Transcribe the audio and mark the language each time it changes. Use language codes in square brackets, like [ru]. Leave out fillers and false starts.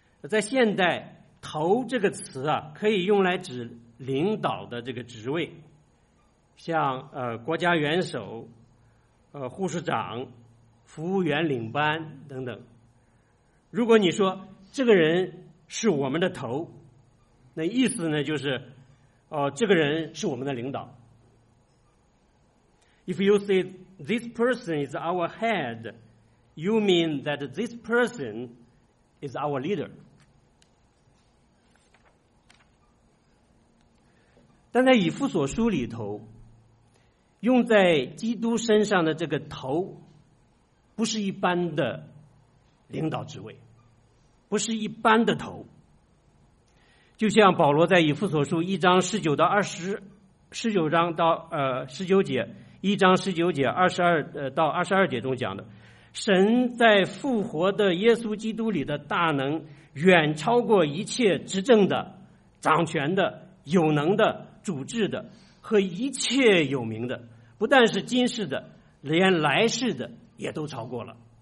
[zh] 在现代，头这个词啊，可以用来指领导的这个职位，像国家元首、护士长、服务员领班等等。如果你说这个人是我们的头，那意思呢就是这个人是我们的领导。 [en] If you say this person is our head, you mean that this person is our leader. [zh] 但在以弗所书里头用在基督身上的这个头，不是一般的领导职位，不是一般的头。就像保罗在以弗所书1章19到22节中讲的，神在复活的耶稣基督里的大能，远超过一切执政的、掌权的、有能的、主治的和一切有名的，不但是今世的，连来世的也都超过了。